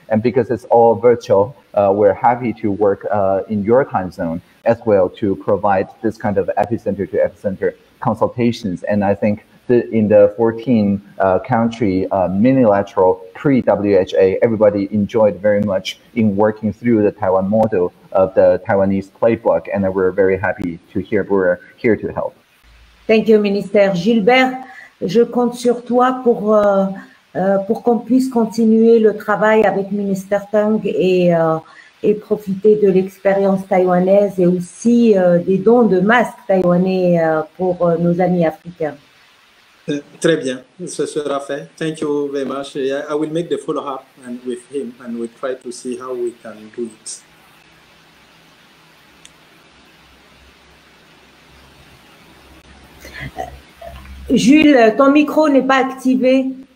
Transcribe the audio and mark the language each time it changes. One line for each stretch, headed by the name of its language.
English: And because it's all virtual, we're happy to work in your time zone as well to provide this kind of epicenter to epicenter consultations. And I think in the 14 country minilateral pre-WHA, everybody enjoyed very much in working through the Taiwan model of the Taiwanese playbook, and we're very happy to hear we're here to help. Thank you, Minister.
French: Gilbert, je compte sur toi pour qu'on puisse continuer le travail avec Minister Tang et profiter de l'expérience taïwanaise et aussi des dons de masques taïwanais pour nos amis africains. Très bien, ce sera fait.
English: Thank you very much. I will make the follow-up and with him, and we try to see how we can do it.
French: Jules, ton micro n'est pas activé.